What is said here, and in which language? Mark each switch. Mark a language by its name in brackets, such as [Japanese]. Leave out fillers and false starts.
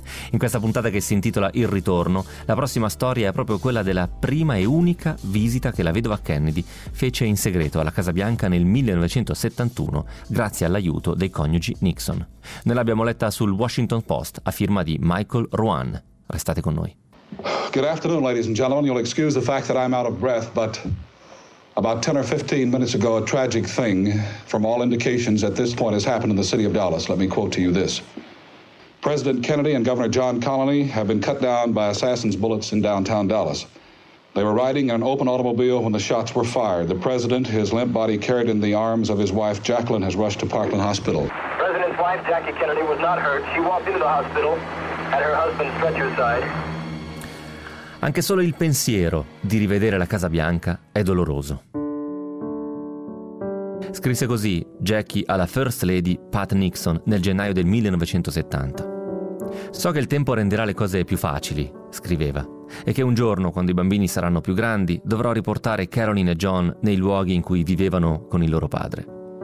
[Italian] In questa puntata che si intitola Il Ritorno, la prossima storia è proprio quella della prima e unica visita che la vedova Kennedy fece in segreto alla Casa Bianca nel 1971 grazie all'aiuto dei coniugi Nixon. Noi l'abbiamo letta sul Washington Post a firma di Michael Ruan. Restate con noi. [English] Good afternoon, ladies and gentlemen. You'll excuse the fact that I'm out of breath, but about 10 or 15 minutes ago, a tragic thing, from all indications at this point, has happened in the city of Dallas. Let me quote to you this. President Kennedy and Governor John Connally have been cut down by assassin's bullets in downtown Dallas. They were riding in an open automobile when the shots were fired. The president, his limp body carried in the arms of his wife Jacqueline, has rushed to Parkland Hospital. President's wife Jackie Kennedy was not hurt. She walked into the hospital at her husband's stretcher side. [Italian] Anche solo il pensiero di rivedere la Casa Bianca è doloroso. Scrisse così Jackie alla First Lady Pat Nixon nel gennaio del 1970. «So che il tempo renderà le cose più facili», scriveva, «e che un giorno, quando i bambini saranno più grandi, dovrò riportare Caroline e John nei luoghi in cui vivevano con il loro padre».